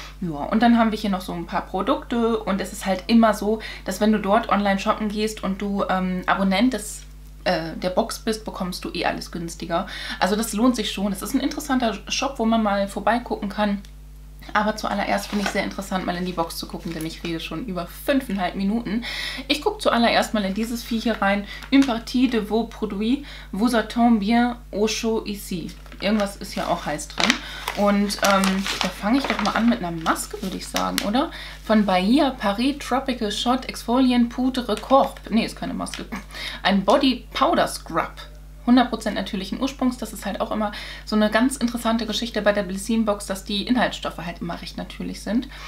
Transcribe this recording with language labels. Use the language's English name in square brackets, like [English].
[German] Ja, und dann haben wir hier noch so ein paar Produkte und es ist halt immer so, dass wenn du dort online shoppen gehst und du Abonnent des der Box bist, bekommst du eh alles günstiger. Also das lohnt sich schon. Es ist ein interessanter Shop, wo man mal vorbeigucken kann. Aber zuallererst finde ich sehr interessant, mal in die Box zu gucken, denn ich rede schon über 5,5 Minuten. Ich gucke zuallererst mal in dieses Vieh hier rein. [French] Une partie de vos produits vous attend bien au show ici. [German] Irgendwas ist hier auch heiß drin. Und da fange ich doch mal an mit einer Maske, würde ich sagen, oder? Von Bahia Paris Tropical Shot Exfoliant Poudre Corp. Nee, ist keine Maske. Ein Body Powder Scrub. 100% natürlichen Ursprungs. Das ist halt auch immer so eine ganz interessante Geschichte bei der Blissim Box, dass die Inhaltsstoffe halt immer recht natürlich sind.